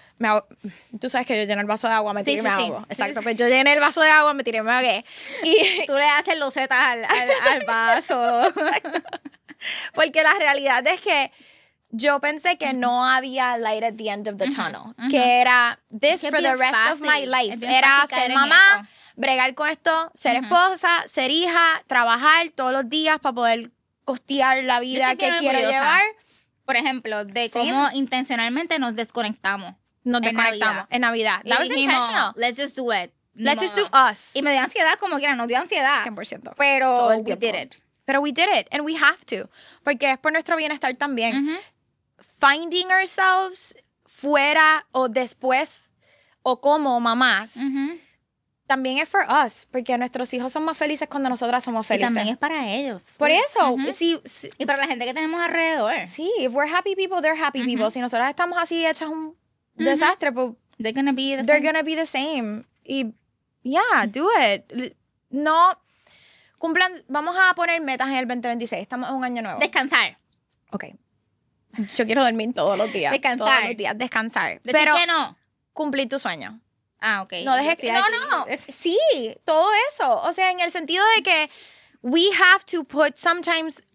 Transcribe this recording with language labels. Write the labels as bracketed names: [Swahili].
[Spanish] Me ahog- Tú sabes que yo lleno el vaso de agua, me tiré y me ahogo. Exacto, pues yo llené el vaso de agua, me tiré y me ahogué. Y tú le haces lucetas al vaso. Exacto. Porque la realidad es que yo pensé que no había [English] light at the end of the tunnel. Uh-huh. [Spanish] Que era [English] this for the rest of my life. [Spanish] Era ser mamá, bregar con esto, ser esposa, ser hija, trabajar todos los días para poder costear la vida que quiero llevar. Por ejemplo, de cómo intencionalmente nos desconectamos. Nos desconectamos en Navidad. [English] That was intentional. Let's just do it. Let's just do us. [Spanish] Y me dio ansiedad como quiera. Nos dio ansiedad. 100%. Pero [English] we did it. [Spanish] Pero [English] we did it. And we have to. [Spanish] Porque es por nuestro bienestar también. Mm-hmm. [English] Finding ourselves [Spanish] fuera o después o como mamás. Mm-hmm. También es [English] for us. [Spanish] Porque nuestros hijos son más felices cuando nosotras somos felices. Y también es para ellos. Por eso. Mm-hmm. Si, y para la gente que tenemos alrededor. Sí. [English] If we're happy people, they're happy mm-hmm. people. [Spanish] Si nosotras estamos así hechas un... desastre, mm-hmm. [English] but they're gonna be the same. [Spanish] Y [English] yeah, do it. [Spanish] No cumplan, vamos a poner metas en el 2026. Estamos en un año nuevo. Descansar. [English] Okay. [Spanish] Yo quiero dormir todos los días. Descansar. Todos los días. Descansar. Decir pero que no. Cumplir tu sueño. Ah, okay. No dejes que. No. Sí, todo eso. O sea, en el sentido de que [English] we have to put sometimes.